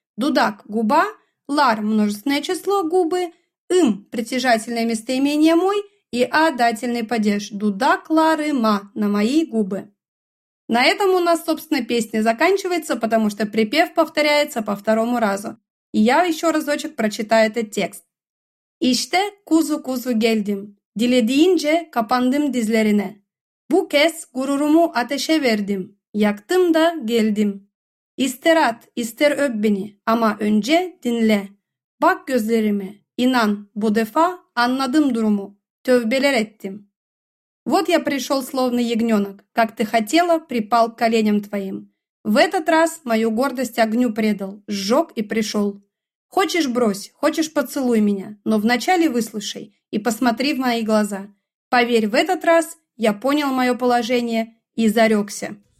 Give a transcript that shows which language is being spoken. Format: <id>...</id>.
<ru>«Дудак» – «губа», «лар» – множественное число «губы», «им» – притяжательное местоимение «мой» и «а» – дательный падеж.</ru> <tr>«Дудак ларыма»</tr> <ru>– «на мои губы». На этом у нас, собственно, песня заканчивается, потому что припев повторяется по второму разу. И я еще разочек прочитаю этот текст.</ru> <tr>İşte kuzu kuzu geldim. Dilediğince kapandım dizlerine. Bu kez gururumu ateşe verdim. Yaktım da geldim. İster at, ister öp beni ama önce dinle. Bak gözlerime, inan, bu defa anladım durumu. Tövbeler ettim.</tr> <ru>Вот я пришел, словно ягненок, как ты хотела, припал к коленям твоим. В этот раз мою гордость огню предал, сжег и пришел. Хочешь, брось, хочешь, поцелуй меня, но вначале выслушай и посмотри в мои глаза. Поверь, в этот раз я понял мое положение и зарекся.</ru>